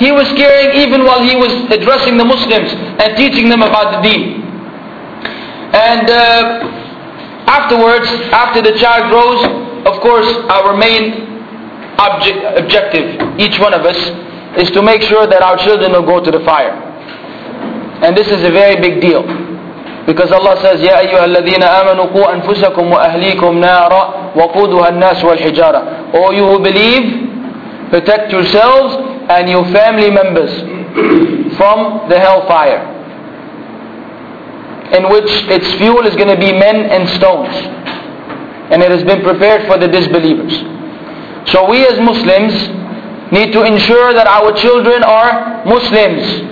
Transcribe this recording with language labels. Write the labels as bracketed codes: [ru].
[en] He was caring even while he was addressing the Muslims and teaching them about the deen. And afterwards, after the child grows, of course, our main objective, each one of us, is to make sure that our children will go to the fire. And this is a very big deal. Because Allah says, [ar] يَا أَيُّهَا الَّذِينَ آمَنُوا قُوا أَنفُسَكُمْ وَأَهْلِيكُمْ نَارًا وَقُودُهَا النَّاسُ وَالْحِجَارَةُ. [en] O you who believe, protect yourselves and your family members from the hellfire, in which its fuel is going to be men and stones. And it has been prepared for the disbelievers. So we as Muslims need to ensure that our children are Muslims.